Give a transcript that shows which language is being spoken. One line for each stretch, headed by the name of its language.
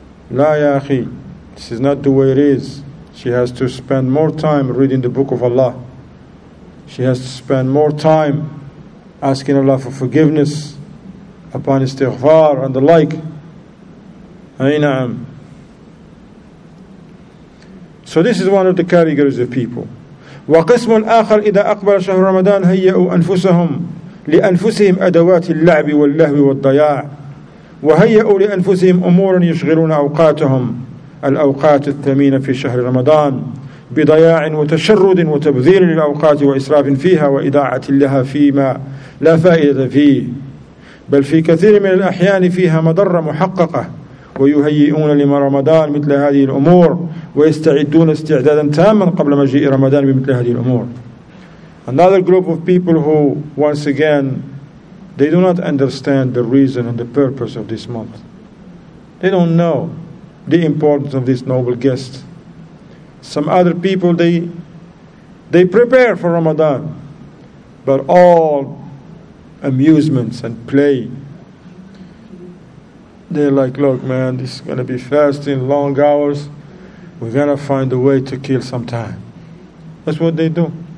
Arabic: La ya akhi,
English: this is not the way it is. She has to spend more time reading the book of Allah. She has to spend more time asking Allah for forgiveness upon istighfar and the like. Ayna'am. So this is one of the categories of people.
Arabic: وقسم آخر إذا أقبل شهر رمضان هيئوا أنفسهم لأنفسهم أدوات اللعب واللهو والضياع وهيئوا لأنفسهم أمورا يشغلون أوقاتهم الأوقات الثمينة في شهر رمضان بضياع وتشرد وتبذير للأوقات وإسراف فيها وإضاعة لها فيما لا فائدة فيه بل في كثير من الأحيان فيها مضرة محققة ويهيئون لما رمضان مثل هذه الأمور ويستعدون استعدادا تاما قبل مجيء رمضان بمثل هذه الأمور.
English: Another group of people who, once again, they do not understand the reason and the purpose of this month. They don't know the importance of this noble guest. Some other people, they prepare for Ramadan, but all amusements and play, they're like, look man, this is going to be fasting, long hours, we're going to find a way to kill some time. That's what they do.